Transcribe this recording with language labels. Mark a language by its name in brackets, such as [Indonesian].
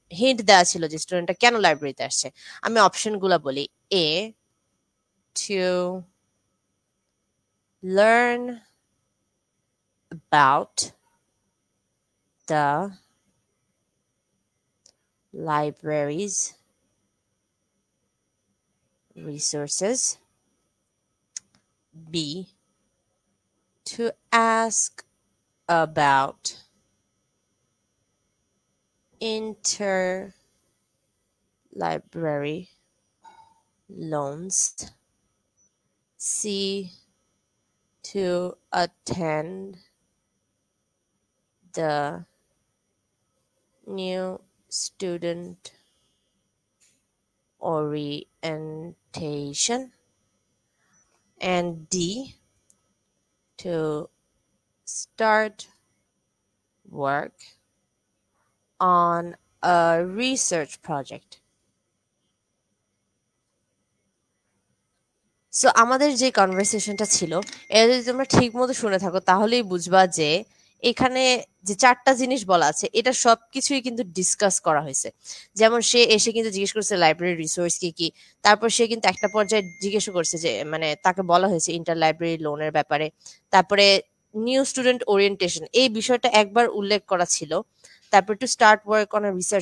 [Bangla] Hint দেওয়া ছিল যে স্টুডেন্টটা কেন লাইব্রেরিতে আসছে আমি অপশনগুলো বলি [English] A to learn about the Libraries, resources, B, to ask about interlibrary loans. C, to attend the new student orientation, and D, to start work on a research project. [Bangla] So আমাদের যে কনভারসেশনটা ছিল এর যদি তোমরা ঠিকমতো শুনে থাকো তাহলেই বুঝবা যে এখানে যে চারটা জিনিস বলা আছে এটা সবকিছুই কিন্তু ডিসকাস করা হয়েছে যেমন সে এসে কিন্তু জিজ্ঞেস করেছে লাইব্রেরি রিসোর্স কি কি তারপর সে কিন্তু একটা পর্যায়ে জিজ্ঞেস করেছে যে মানে তাকে বলা হয়েছে ইন্টারলাইব্রেরি লোনের ব্যাপারে তারপরে নিউ স্টুডেন্ট ওরিয়েন্টেশন এই বিষয়টা একবার উল্লেখ করা ছিল তারপর [English] to start work on a